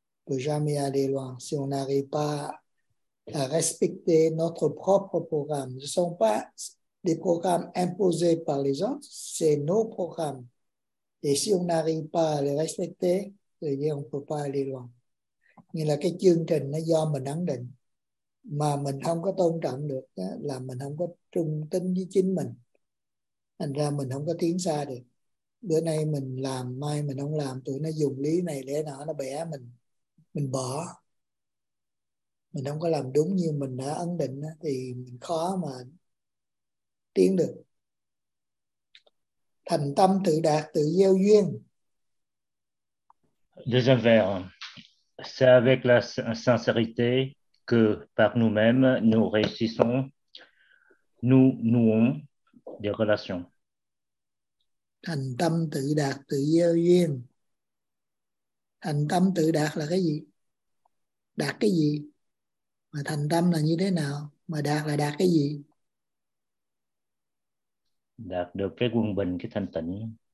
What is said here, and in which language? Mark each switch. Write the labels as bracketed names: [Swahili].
[French] On ne peut jamais aller loin si on n'arrive pas à respecter notre propre programme. Ce ne sont pas des programmes imposés par les autres, c'est nos programmes. Et si on n'arrive pas à les respecter, c'est-à-dire on ne peut pas aller loin. [Vietnamese] Nghĩa là cái chương trình nó do mình ấn định, mà mình không có tôn trọng được là mình không có trung tính với chính mình. Thành ra mình không có tiến xa được. Bữa nay mình làm, mai mình không làm, tụi nó dùng lý này lẽ nọ nó bẻ mình. Mình bỏ, mình không có làm đúng như mình đã ấn định thì mình khó mà tiến được. Thành tâm tự đạt, tự gieo duyên. [French] Deuxième vers. C'est avec la sincérité que par nous-mêmes nous réussissons, nous nouons des relations. [Vietnamese] Thành tâm tự đạt, tự gieo duyên. Thành tâm tự đạt là cái gì? Đạt cái gì? Mà thành tâm là như thế nào? Mà đạt là đạt cái gì? Đạt được cái quân bình, cái thanh tịnh.